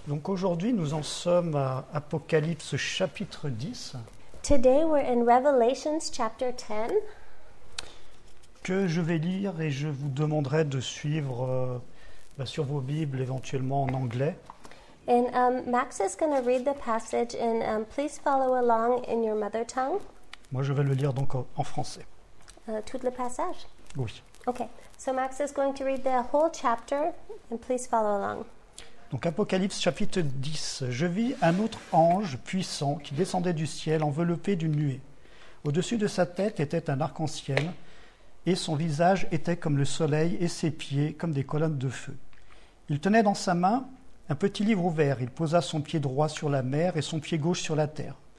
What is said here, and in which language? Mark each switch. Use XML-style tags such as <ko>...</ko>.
<fr>Donc aujourd'hui, nous en sommes à Apocalypse chapitre 10.</fr> <en>Today we're in Revelations chapter 10.</en> <fr>Que je vais lire et je vous demanderai de suivre sur vos Bibles, éventuellement en anglais.</fr> <en>And Max is going to read the passage and please follow along in your mother tongue.</en> <fr>Moi, je vais le lire donc en français. Tout le passage? Oui.</fr> <en>Okay, so Max is going to read the whole chapter and please follow along.</en> <fr>Donc Apocalypse chapitre 10. Je vis un autre ange puissant qui descendait du ciel enveloppé d'une nuée. Au-dessus de sa tête était un arc-en-ciel et son visage était comme le soleil et ses pieds comme des colonnes de feu. Il tenait dans sa main un petit livre ouvert. Il posa son pied droit sur la mer et son pied gauche sur la terre.</fr>